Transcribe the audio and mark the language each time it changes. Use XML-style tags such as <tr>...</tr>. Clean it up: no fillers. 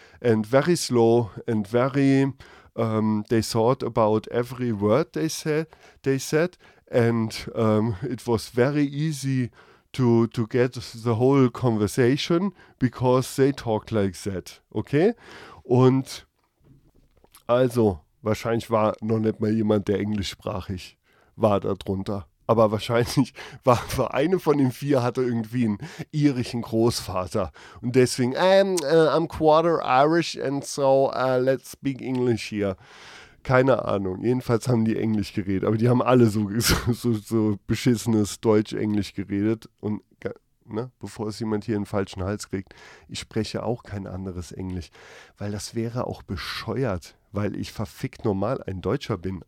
<en>And very slow and very, they thought about every word they said. And it was very easy to get the whole conversation because they talked like that. Okay?</en> <de>Und also, wahrscheinlich war noch nicht mal jemand, der englischsprachig war, darunter. Aber wahrscheinlich war eine von den vier, hatte irgendwie einen irischen Großvater. Und deswegen,</de> <en>I'm quarter Irish and so let's speak English here.</en> <de>Keine Ahnung. Jedenfalls haben die Englisch geredet. Aber die haben alle so beschissenes Deutsch-Englisch geredet. Und ne, bevor es jemand hier einen falschen Hals kriegt, ich spreche auch kein anderes Englisch. Weil das wäre auch bescheuert, weil ich verfickt normal ein Deutscher bin.</de>